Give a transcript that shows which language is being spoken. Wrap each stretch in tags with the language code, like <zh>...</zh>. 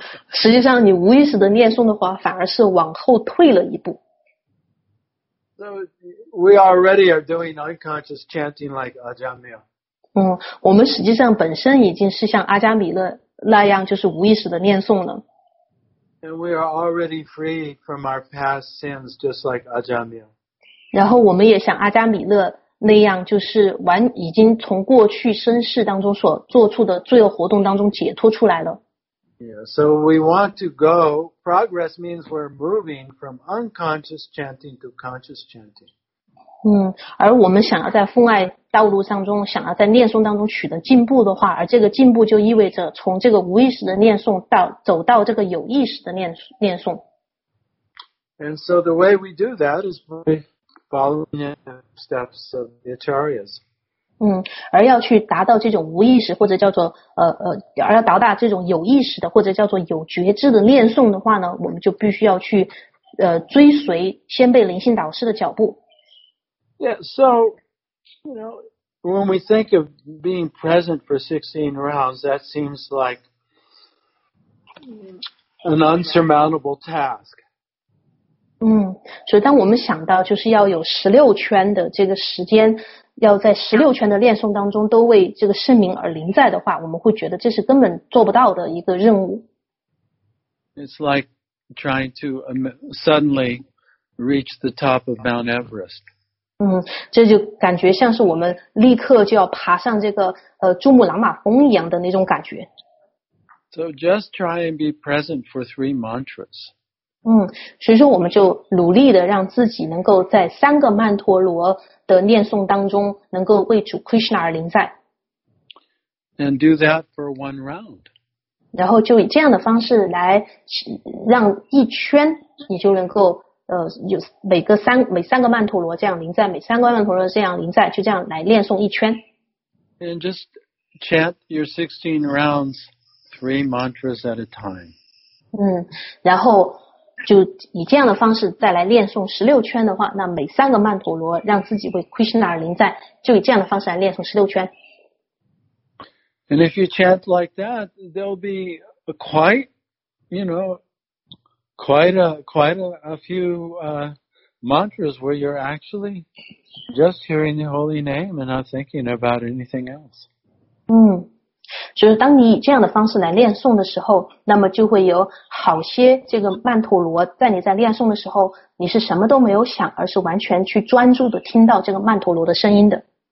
<zh>实际上你无意识的念诵的话反而是往后退了一步。</zh> <en>So we already are doing unconscious chanting like Ajamil.</en> <zh>我们实际上本身已经是像阿加米勒那样就是无意识的念诵了。</zh> <en>And we are already free from our past sins, just like Ajamil.</en> <zh>然后我们也像阿加米勒那样，就是已经从过去生世当中所做出的罪恶活动当中解脱出来了。</zh> <en>Yeah, so we want to go. Progress means we're moving from unconscious chanting to conscious chanting.</en> <zh>而我们想要在奉爱道路当中，想要在念诵当中取得进步的话，而这个进步就意味着从这个无意识的念诵走到这个有意识的念诵。</zh> <en>And so the way we do that is by following the steps of the Acharyas.</en> <zh>嗯，而要去达到这种无意识，或者叫做而要到达这种有意识的，或者叫做有觉知的念诵的话呢，我们就必须要去追随先辈灵性导师的脚步。</zh> <en>Yeah, so you know, when we think of being present for 16 rounds, that seems like an unsurmountable task.</en> <zh>嗯，所以当我们想到就是要有16圈的这个时间。要在十六圈的练诵当中都为这个圣名而临在的话，我们会觉得这是根本做不到的一个任务。</zh> <en>It's like trying to suddenly reach the top of Mount Everest.</en> <zh>嗯，这就感觉像是我们立刻就要爬上这个珠穆朗玛峰一样的那种感觉。</zh> <en>So just try and be present for 3 mantras.</en> <zh>嗯，所以说我们就努力的让自己能够在三个曼陀罗。的念诵当中能够为主 Krishna 而临在</zh> <en>and do that for one round.</en> <zh>然后就以这样的方式来让一圈你就能够有每三个曼陀罗这样临在每三个曼陀罗这样临在就这样来念诵一圈</zh> <en>and just chant your 16 rounds 3 mantras at a time.</en> <zh>嗯，然后就以这样的方式再来练诵16圈的话那每三个曼陀罗让自己为 Krishna 而临在就以这样的方式来练诵16圈</zh> <en>And if you chant like that there'll be a quite you know quite a few mantras where you're actually just hearing the holy name and not thinking about anything else</en> <zh>就是当你以这样的方式来练诵的时候那么就会有好些这个曼陀罗在你在练诵的时候你是什么都没有想而是完全去专注的听到这个曼陀罗的声音的</zh>